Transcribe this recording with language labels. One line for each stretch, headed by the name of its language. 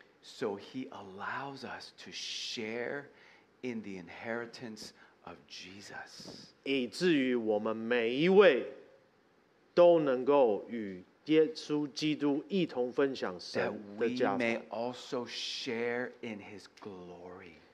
English: So he allows us to share in the inheritance of Jesus.
Chinese: 以至于我们每一位都能够与耶稣基督一同分享神的家产。
English: That we may also share in his glory.